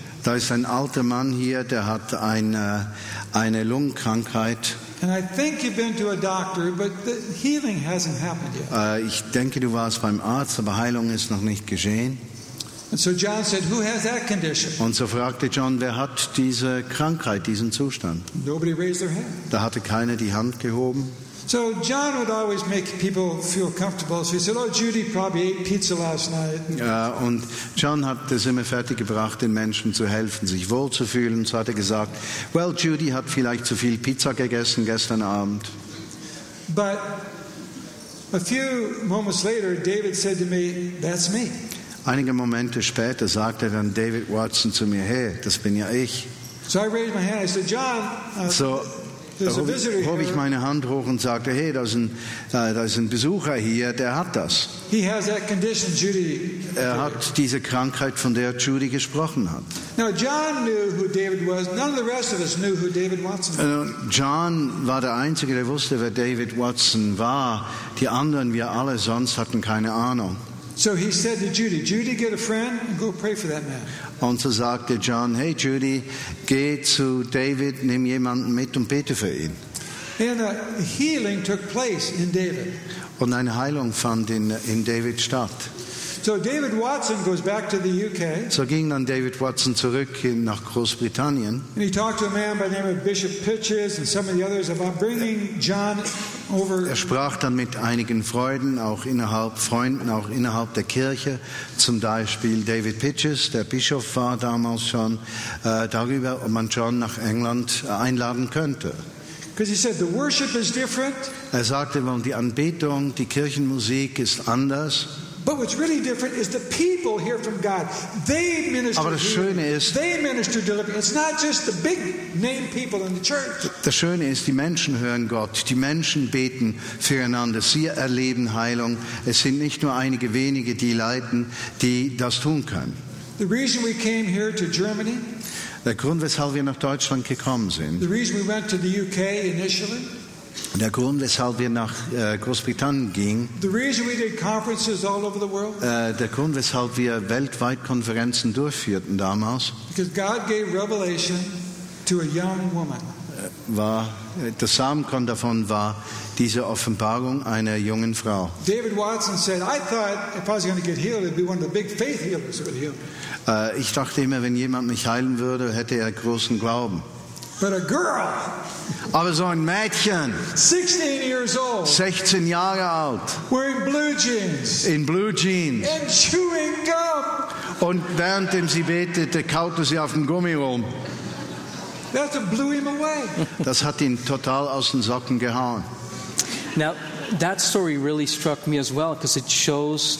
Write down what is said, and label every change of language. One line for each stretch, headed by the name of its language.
German: Da ist ein alter Mann hier, der hat eine Lungenkrankheit.
English: And I think you've been to a doctor, but the healing hasn't happened yet.
German: Ich denke, du warst beim Arzt, aber Heilung ist noch nicht geschehen.
English: And so John said, "Who has that condition?"
German: Und so fragte John, wer hat diese Krankheit, diesen Zustand?
English: Nobody raised their hand.
German: Da hatte keiner die Hand gehoben.
English: So John would always make people feel comfortable. So he said, "Oh, Judy probably ate pizza last night."
German: Und John hat es immer fertiggebracht, den Menschen zu helfen, sich wohlzufühlen. So hat er gesagt, "Well, Judy hat vielleicht zu viel Pizza gegessen gestern Abend."
English: But a few moments later, David said to me, "That's me."
German: Einige Momente später sagte dann David Watson zu mir, "Hey, das bin ja ich."
English: So I raised my hand. I said, "John."
German: Hob ich meine Hand hoch und sagte, hey, da ist ein Besucher hier, der hat das.
English: He has that condition, Judy.
German: Er hat diese Krankheit, von der Judy gesprochen hat.
English: Now John knew who David was. None of the rest of us knew who David Watson was.
German: John war der Einzige, der wusste, wer David Watson war. Die anderen, wir alle sonst, hatten keine Ahnung.
English: So he said to Judy, "Judy, get a friend and go pray for that man."
German: Und so sagte John, "Hey Judy, geh zu David, nimm jemanden mit und bete für ihn."
English: And a healing took place in David.
German: Und eine Heilung fand in David statt.
English: So David Watson goes back to the UK.
German: So ging dann David Watson zurück nach Großbritannien.
English: And he talked to a man by the name of Bishop Pitches and some of the others about bringing John over.
German: Er sprach dann mit einigen Freunden auch innerhalb der Kirche, zum Beispiel David Pitches, der Bischof war damals schon, darüber, ob man John nach England einladen könnte.
English: Because he said the worship is different.
German: Er sagte, weil die Anbetung, die Kirchenmusik ist anders.
English: But what's really different is the people hear from God. They minister.
German: Aber das Schöne ist,
English: they minister deliverance. It's not just the big name people in the church.
German: Das Schöne ist, die Menschen hören Gott. Die Menschen beten füreinander. Sie erleben Heilung. Es sind nicht nur einige wenige, die leiden, die das tun können.
English: The reason we came here to Germany.
German: Der Grund, weshalb wir nach Deutschland gekommen sind.
English: The reason we went to the UK initially.
German: Der Grund, weshalb wir nach Großbritannien gingen,
English: the reason we did conferences all over the world,
German: der Grund, weshalb wir weltweit Konferenzen durchführten damals,
English: because God gave revelation to a young woman.
German: War das Samenkorn davon war diese Offenbarung einer jungen Frau.
English: David Watson said, "I thought if I was going to get healed, it'd be one of the big faith healers that would heal."
German: Ich dachte immer, wenn jemand mich heilen würde, hätte er großen Glauben.
English: But a girl.
German: Aber so ein Mädchen.
English: 16 years old.
German: 16 Jahre alt.
English: Wearing blue jeans.
German: In blue jeans.
English: And chewing gum.
German: Und währenddem sie betete, kaute sie auf dem Gummi rum.
English: That blew him away.
German: Das hat ihn total aus den Socken gehauen.
English: Now, that story really struck me as well, because it shows.